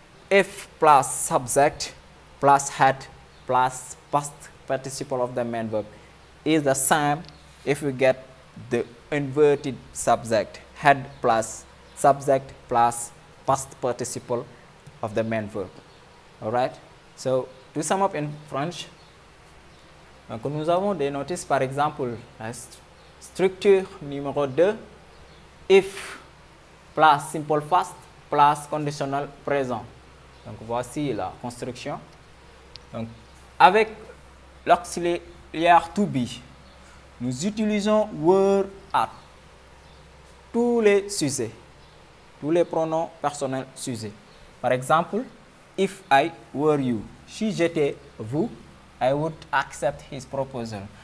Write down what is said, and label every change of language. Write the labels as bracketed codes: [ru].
[en] If plus subject plus had plus past participle of the main verb is the same if we get the inverted subject had plus subject plus past participle of the main verb. All right. So to sum up in French, [fr] donc nous avons des notices, par exemple, la structure numéro 2, if, plus simple fast, plus conditionnel présent. Donc voici la construction. Donc, avec l'auxiliaire to be, nous utilisons were at tous les sujets, tous les pronoms personnels sujets. Par exemple, [en] if I were you, [fr] si j'étais vous, [en] I would accept his proposal.